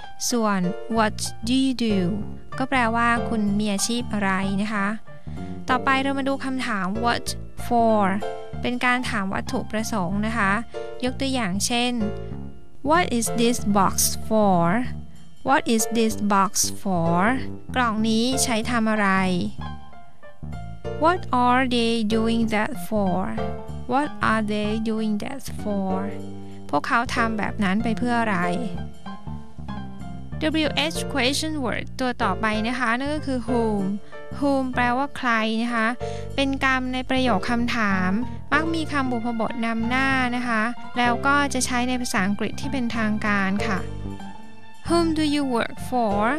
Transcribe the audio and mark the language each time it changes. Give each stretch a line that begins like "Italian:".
Thai: ส่วน
English: What do you do
Thai: ก็แปลว่าคุณมีอาชีพอะไรนะคะต่อไปเรามาดูคำถาม What for เป็นการถามวัตถุประสงค์นะคะยกตัวอย่างเช่น
English: What is this box for
Thai: What is this box for กล่องนี้ใช้ทำอะไร
English: What are they doing that for? What are they doing that for?
Thai: พวกเขาทำแบบนั้นไปเพื่ออะไร WH question word ตัวต่อไปนะคะนั่นก็คือ whom whom แปลว่าใครนะคะเป็นกรรมในประโยคคำถามมักมีคำบุพบทนำหน้านะคะแล้วก็จะใช้ในภาษาอังกฤษที่เป็นทางการค่ะ
English: Whom do you work for?